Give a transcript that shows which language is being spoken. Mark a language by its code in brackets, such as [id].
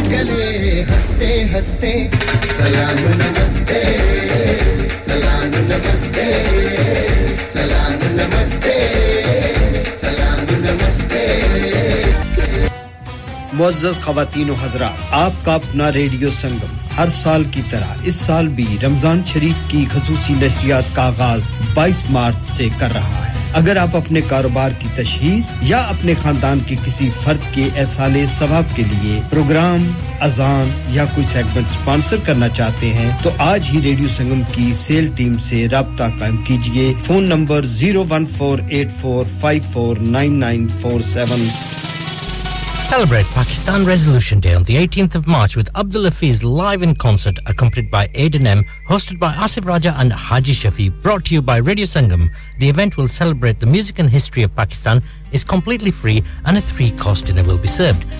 [ur] ہستے ہستے سلام نمستے سلام نمستے سلام نمستے سلام نمستے معزز خواتین و حضرات آپ کا اپنا ریڈیو سنگم ہر سال کی طرح اس سال بھی رمضان شریف کی خصوصی نشریات کا آغاز 22 مارچ سے کر رہا ہے اگر آپ اپنے کاروبار کی تشہیر یا اپنے خاندان کے کسی فرد کے ایصال ثواب کے لیے پروگرام اذان یا کوئی سیگمنٹ سپانسر کرنا چاہتے ہیں تو آج ہی ریڈیو سنگم کی سیل ٹیم سے رابطہ قائم کیجئے phone number 01484549947 [en] Celebrate Pakistan Resolution Day on the 18th of March with Abdul Hafiz live in concert, accompanied by Aidan M, hosted by Asif Raja and Haji Shafi, brought to you by Radio Sangam. The event will celebrate the music and history of Pakistan, is completely free, and a three-course dinner will be served.